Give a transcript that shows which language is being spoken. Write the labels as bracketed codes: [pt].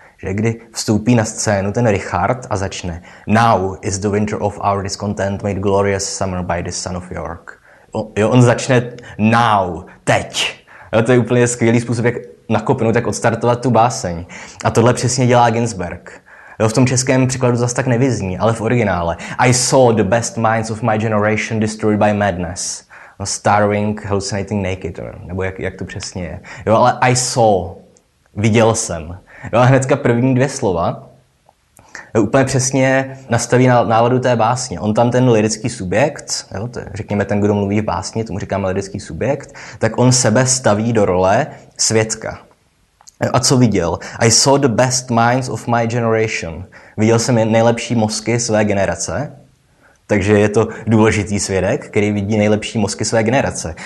[cs] Že kdy vstoupí na scénu ten Richard a začne [en] Now is the winter of our discontent made glorious summer by the son of York. [cs] On začne [en] now, [cs] teď. Jo, to je úplně skvělý způsob, jak nakopnout, jak odstartovat tu báseň. A tohle přesně dělá Ginsberg. Jo, v tom českém překladu zase tak nevyzní, ale v originále. [en] I saw the best minds of my generation destroyed by madness. No, starving, hallucinating naked. [cs] Nebo jak to přesně je. Jo, ale [en] I saw. [cs] Viděl jsem. Jo, a hnedka první dvě slova úplně přesně nastaví náladu té básně. On tam ten lirický subjekt, jo, to je, řekněme ten, kdo mluví v básni, tomu říkáme lirický subjekt, tak on sebe staví do role svědka. A co viděl? [en] I saw the best minds of my generation. [cs] Viděl jsem nejlepší mozky své generace. Takže je to důležitý svědek, který vidí nejlepší mozky své generace.